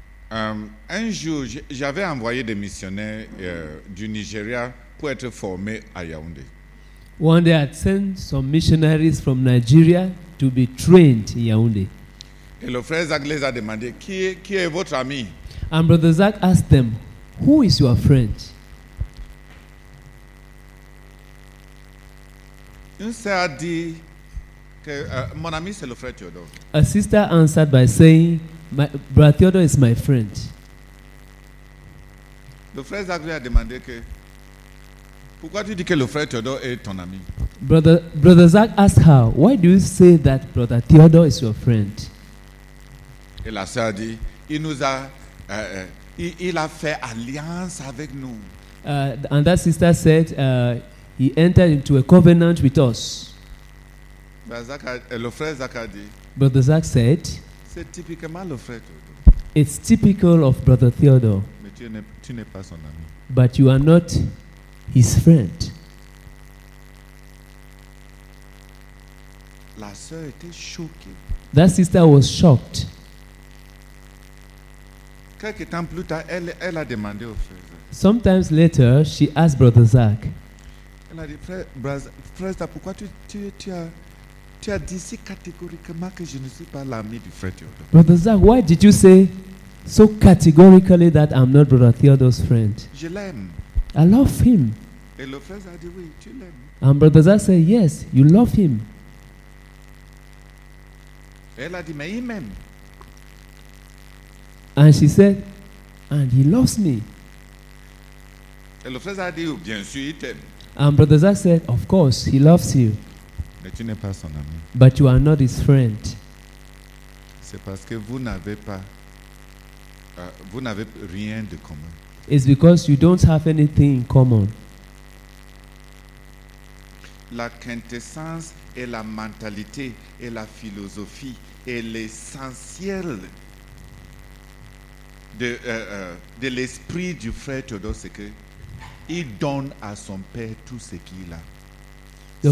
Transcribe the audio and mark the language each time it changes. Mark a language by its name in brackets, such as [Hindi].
[French] Un jour, j'avais envoyé des missionnaires du Nigeria pour être formés à Yaoundé. [English] One day, I sent some missionaries from Nigeria to be trained in Yaoundé. [French] Et le frère Zach les a demandé, qui est votre ami? [English] And Brother Zach asked them, who is your friend? [French] Une sœur a dit que mon ami c'est le frère Théodore. [English] A sister answered by saying, my brother Theodore is my friend. [French] Le frère Zach lui a demandé que pourquoi tu dis que le frère Theodore est ton ami? [English] Brother Zach asked her, why do you say that brother Theodore is your friend? [French] Et la sœur dit, il a fait alliance avec nous. [English] And that sister said, he entered into a covenant with us. [French] Le frère Zach a dit. [English] Brother Zach said. [French] C'est typiquement le frère Theodore. [English] It's typical of brother Theodore. [French] Tu n'es pas son ami. [English] But you are not his friend. [French] La sœur était choquée. [English] That sister was shocked. [French] Quelque temps plus tard, elle a demandé au frère. [English] Sometimes later, she asked brother Zach. [French] Elle a dit, frère, pourquoi tu as dit si catégoriquement que je ne suis pas l'ami du frère Théodore? [English] Brother Zach, why did you say so categorically that I'm not Brother Theodore's friend? [French] Je l'aime. [English] I love him. [French] Et le frère a dit, oui, tu l'aimes. [English] And Brother Zach said, yes, you love him. [French] Elle a dit, mais il m'aime. [English] And she said, and he loves me. [French] Et le frère a dit, bien sûr, il t'aime. [English] And Brother Zach said, of course, he loves you. [French] Mais tu n'es pas son ami. [English] But you are not his friend. [French] C'est parce que vous n'avez pas, vous n'avez rien de commun. [English] It's because you don't have anything in common. [French] La quintessence et la mentalité et la philosophie et l'essentiel de l'esprit du frère Théodore, c'est que il donne à son père tout ce qu'il a.